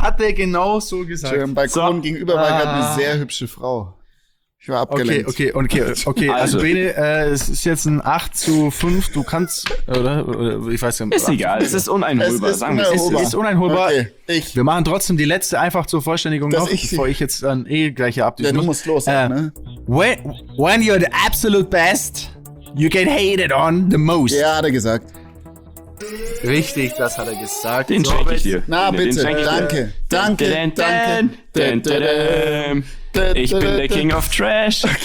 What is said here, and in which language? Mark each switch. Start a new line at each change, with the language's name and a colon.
German: Im Balkon gegenüber war gerade eine sehr hübsche Frau. Ich war abgelenkt. Okay. Also Bene, es ist jetzt ein 8-5. Du kannst, oder? Ich weiß nicht. Ist egal. Es ist uneinholbar. Es ist uneinholbar. Okay, wir machen trotzdem die letzte einfach zur Vervollständigung noch, bevor ich jetzt dann gleich hier abdüse. Ja, du musst los. Ne?
English: When you're the absolute best, you get hated on the most.
German: Ja, hat er gesagt. Richtig, das hat er gesagt. Den schenke ich dir. Na bitte, danke. Ich bin der King of Trash.